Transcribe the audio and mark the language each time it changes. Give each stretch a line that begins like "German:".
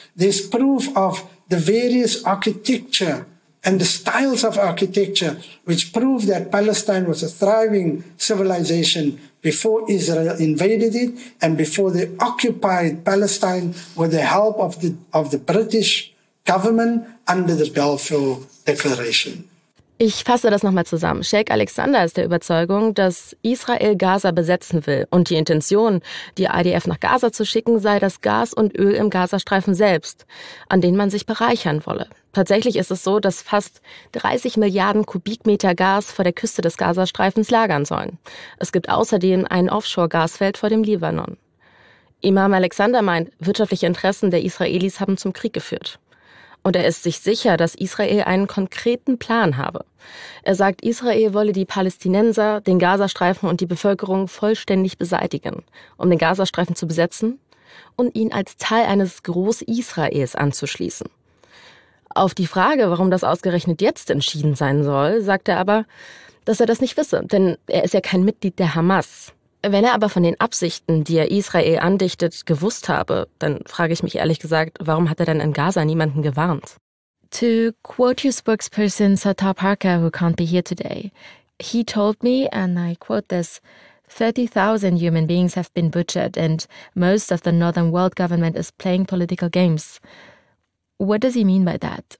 English: There's proof of the various architecture and the styles of architecture, which prove that Palestine was a thriving civilization before Israel invaded it and before they occupied Palestine with the help of the British government under the Balfour Declaration.
German: Ich fasse das nochmal zusammen. Sheikh Alexander ist der Überzeugung, dass Israel Gaza besetzen will und die Intention, die IDF nach Gaza zu schicken, sei das Gas und Öl im Gazastreifen selbst, an denen man sich bereichern wolle. Tatsächlich ist es so, dass fast 30 Milliarden Kubikmeter Gas vor der Küste des Gazastreifens lagern sollen. Es gibt außerdem ein Offshore-Gasfeld vor dem Libanon. Imam Alexander meint, wirtschaftliche Interessen der Israelis haben zum Krieg geführt. Und er ist sich sicher, dass Israel einen konkreten Plan habe. Er sagt, Israel wolle die Palästinenser, den Gazastreifen und die Bevölkerung vollständig beseitigen, um den Gazastreifen zu besetzen und ihn als Teil eines Groß-Israels anzuschließen. Auf die Frage, warum das ausgerechnet jetzt entschieden sein soll, sagt er aber, dass er das nicht wisse, denn er ist ja kein Mitglied der Hamas. Wenn er aber von den Absichten, die er Israel andichtet, gewusst habe, dann frage ich mich ehrlich gesagt, warum hat er denn in Gaza niemanden gewarnt?
English: To quote your spokesperson Sattar Parker, who can't be here today, he told me, and I quote this, 30,000 human beings have been butchered and most of the northern world government is playing political games. What does he mean by that?